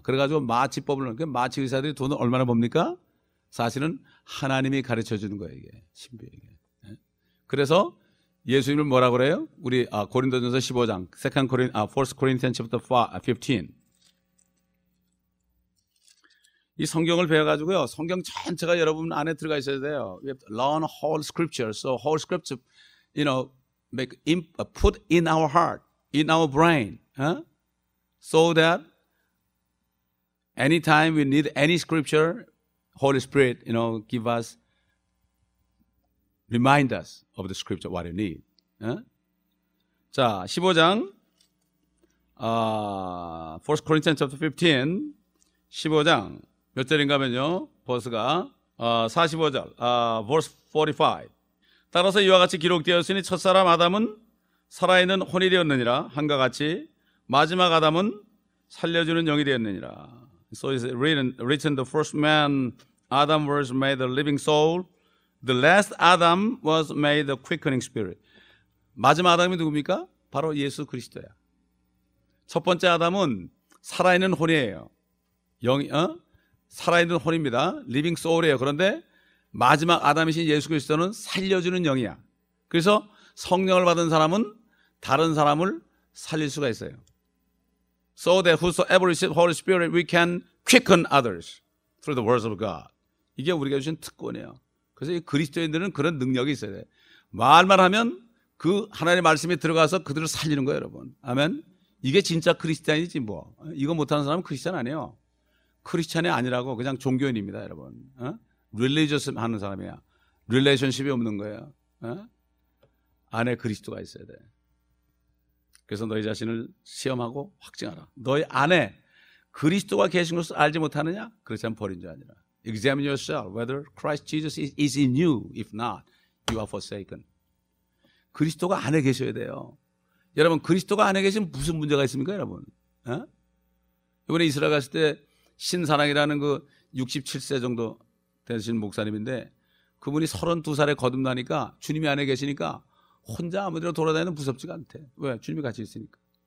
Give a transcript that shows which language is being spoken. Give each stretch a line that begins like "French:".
Korean: 그래가지고 마취법을, 마취 의사들이 돈을 얼마나 법니까? 사실은 하나님이 가르쳐 주는 거예요, 이게. 신비에게. 그래서 예수님을 뭐라 그래요? 우리 고린도전서 15장,
English: 1 Corinthians chapter 15.
Korean: 이 성경을 배워가지고요. 성경 전체가 여러분 안에 들어가 있어야 돼요.
English: We have to learn whole scripture. So whole scripture, you know, make in, put in our heart, in our brain. So that anytime we need any scripture, Holy Spirit, you know, give us, remind us of the scripture, what you need.
Korean: 자, 15장,
English: 1 Corinthians chapter 15,
Korean: 15장. 몇 절인가면요, 버스가 45절,
English: verse 45.
Korean: 따라서 이와 같이 기록되었으니 첫사람 아담은 살아있는 혼이 되었느니라. 한가 같이 마지막 아담은 살려주는 영이 되었느니라.
English: So it's written, the first man, Adam, was made a living soul. The last Adam was made a quickening spirit.
Korean: 마지막 아담이 누굽니까? 바로 예수 그리스도야. 첫 번째 아담은 살아있는 혼이에요. 영이, 살아있는 혼입니다. living soul이에요. 그런데 마지막 아담이신 예수 그리스도는 살려주는 영이야. 그래서 성령을 받은 사람은 다른 사람을 살릴 수가 있어요.
English: So that whosoever receives Holy Spirit, we can quicken others through the words of God.
Korean: 이게 우리가 주신 특권이에요. 그래서 이 그리스도인들은 그런 능력이 있어야 돼. 말만 하면 그 하나님의 말씀이 들어가서 그들을 살리는 거예요, 여러분. 아멘. 이게 진짜 크리스찬이지 뭐. 이거 못하는 사람은 크리스찬 아니에요. 크리스찬이 아니라고 그냥 종교인입니다, 여러분. 릴리저스 하는 사람이야. 릴레이션십이 없는 거예요. 안에 그리스도가 있어야 돼. 그래서 너희 자신을 시험하고 확증하라. 너희 안에 그리스도가 계신 것을 알지 못하느냐? 그렇지 않으면 버린 줄 아니라.
English: Examine yourself whether Christ Jesus is in you. If not, you are forsaken.
Korean: 그리스도가 안에 계셔야 돼요. 여러분, 그리스도가 안에 계시면 무슨 문제가 있습니까, 여러분? 이번에 이스라엘 갔을 때 신사랑이라는 그 67세 정도 되신 목사님인데 그분이 32살에 거듭나니까 주님이 안에 계시니까 혼자 아무데나 돌아다니는 무섭지가 않대. 왜? 주님이 같이 있으니까.